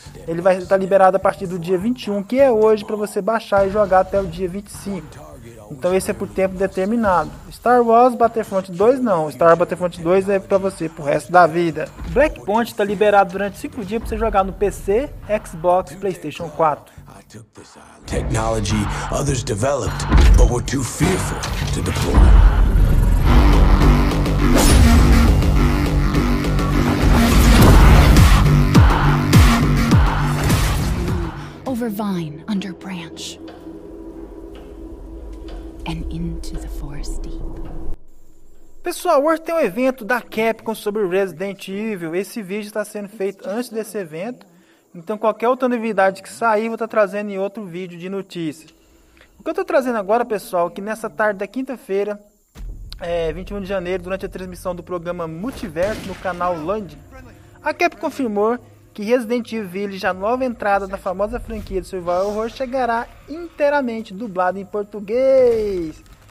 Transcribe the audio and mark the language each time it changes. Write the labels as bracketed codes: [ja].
[pt] Ele vai estar liberado a partir do dia 21, que é hoje, para você baixar e jogar até o dia 25. Então esse é por tempo determinado. Star Wars Battlefront 2 não. Star Wars Battlefront 2 é para você pro resto da vida. Blackpoint está liberado durante 5 dias para você jogar no PC, Xbox, PlayStation 4. [en] Technology others developed, but were too fearful to deploy. Over vine, under branch, and into the forest deep. [pt] Pessoal, hoje tem um evento da Capcom sobre Resident Evil. Esse vídeo está sendo feito antes desse evento. Então qualquer outra novidade que sair, vou estar trazendo em outro vídeo de notícias. O que eu estou trazendo agora, pessoal, é que nessa tarde da quinta-feira, 21 de janeiro, durante a transmissão do programa Multiverso no canal Land, a Capcom confirmou que Resident Evil Village, a nova entrada da famosa franquia de Survival Horror, chegará inteiramente dublada em português.